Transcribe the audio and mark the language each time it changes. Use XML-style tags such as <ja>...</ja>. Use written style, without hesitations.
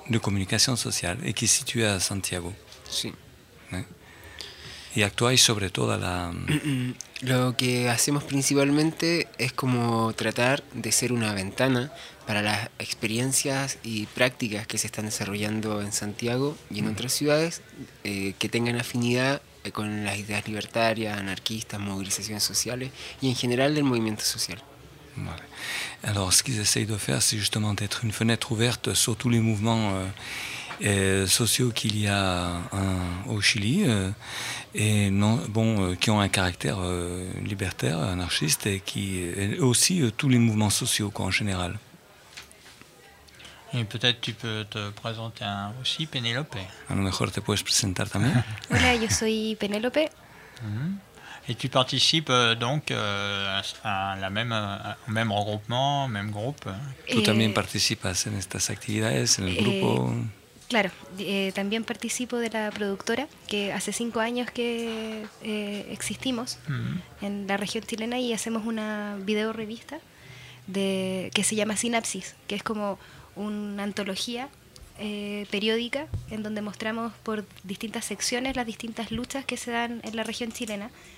<fr>De Comunicación Social, et qui est située à Santiago.</fr> <es>Sí. Y actuáis sobre toda la... Lo que hacemos principalmente es como tratar de ser una ventana para las experiencias y prácticas que se están desarrollando en Santiago y en otras ciudades que tengan afinidad con las ideas libertarias, anarquistas, movilizaciones sociales y en general del movimiento social.</es> <fr>Voilà. Alors, ce qu'ils essayent de faire, c'est justement d'être une fenêtre ouverte sur tous les mouvements sociaux qu'il y a au Chili, qui ont un caractère libertaire, anarchiste, et aussi tous les mouvements sociaux quoi, en général. Et peut-être tu peux te présenter aussi, Penélope.</fr> <es>A lo mejor te puedes presentar también. Hola, yo soy Penélope.</es> <fr>Et tu participes donc à la même, au même regroupement, au même groupe. Tu aussi participes à ces activités, au groupe.</fr> <es>Claro, también participo de la productora, que hace 5 años que existimos en la región chilena, y hacemos una video revista que se llama Sinapsis, que es como una antología periódica en donde mostramos por distintas secciones las distintas luchas que se dan en la región chilena.</es>